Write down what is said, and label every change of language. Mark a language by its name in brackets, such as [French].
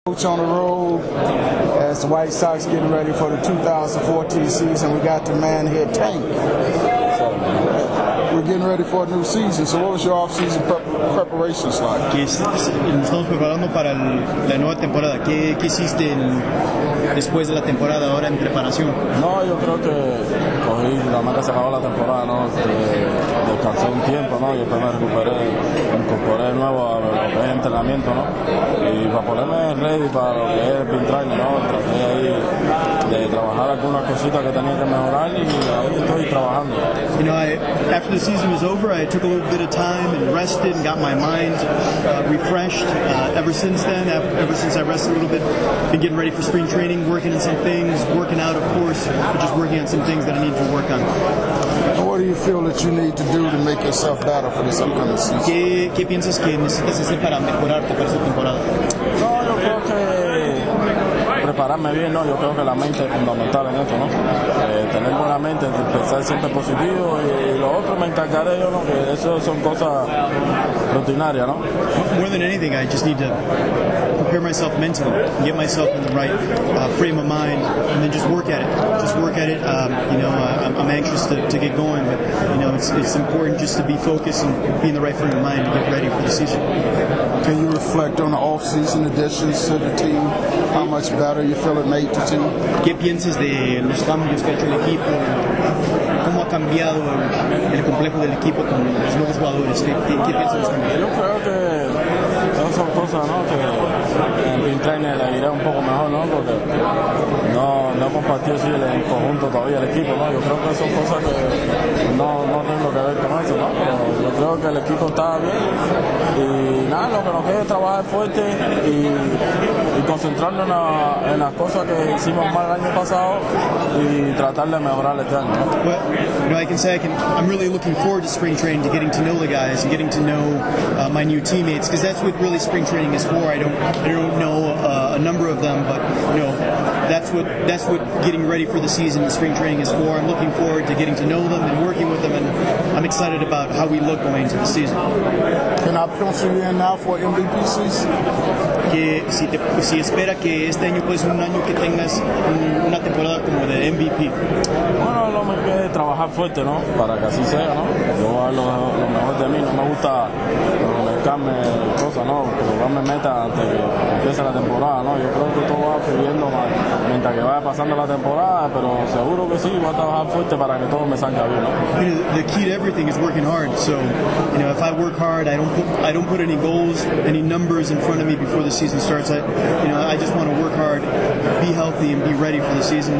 [English] Coach on the road as the White Sox getting ready for the 2014 season. We got the man here, Tank. We're getting ready for a new season. So what was your off-season preparations like? [Spanish] Estamos preparando para la nueva temporada. ¿Qué hiciste después de la temporada ahora en preparación? No, yo creo que cogí, la manera se acabó la temporada, ¿no? Descansé un tiempo, ¿no? Y después me recuperé, me incorporé de nuevo a lo que es entrenamiento, ¿no? Y para ponerme ready para lo que es el spring training, ¿no? Traté ahí de trabajar algunas cositas que tenía que mejorar y ahí estoy trabajando. [English] You know, after the season was over, I took a little bit of time and rested and got my mind refreshed. Ever since I rested a little bit, been getting ready for spring training, working on some things, working out, of course, but just working on some things that I need to work on. What do you feel that you need to do to make yourself better for this upcoming season? [Spanish] ¿Qué piensas que necesitas hacer para mejorarte para esta temporada? No, yo creo que prepararme bien, ¿no? Yo creo que la mente es fundamental en esto, ¿no? Tener buena mente, pensar siempre positivo y lo otro me encargaré yo, ¿no? Que eso son cosas rutinarias, ¿no? [English] More than anything, I just need to prepare myself mentally, get myself in the right frame of mind, and then just work at it. Just work at it. You know, I'm anxious to get going, but you know, it's important just to be focused and be in the right frame of mind and get ready for the season. Can you reflect on the off-season additions to the team? How much better you feel it made the team? [Spanish] ¿Qué piensas de los cambios que ha hecho el equipo? ¿Cómo ha cambiado el complejo del equipo con los nuevos jugadores? ¿Qué piensas de los cambios? Yo creo que son cosas, ¿no? Que en el training le iré un poco mejor, ¿no? Porque no compartió así en conjunto todavía el equipo, ¿no? Yo creo que son cosas que no tengo que ver con eso, ¿no? Pero yo creo que el equipo está bien y nada, lo que nos queda es trabajar fuerte y concentrarnos en las cosas que hicimos mal el año pasado y tratar de mejorar este año. [English] Well, you know, I can say I'm really looking forward to spring training, to getting to know the guys and getting to know my new teammates, because that's what really spring training is for. I don't know a number of them, but you know, that's what getting ready for the season and spring training is for. I'm looking forward to getting to know them and working with them, and I'm excited about how we look going into the season. Can I pencil you in now for MVP season? [Spanish] Que si espera que este año pues un año que tengas una temporada como de MVP. Bueno, lo más que es trabajar fuerte, ¿no? Para que así sea, ¿no? Yo a lo mejor de mí no me gusta buscarme cosas, ¿no? Jugarme meta antes que empiece la temporada, ¿no? Yo creo que todo va fluyendo mal mientras que vaya pasando la temporada, pero seguro que sí, voy a trabajar fuerte para que todo me salga bien, ¿no? [English] You know, the key to everything is working hard, so, you know, if I work hard, I don't put any goals, any numbers in front of me before the season starts. I just want to work hard, be healthy, and be ready for the season.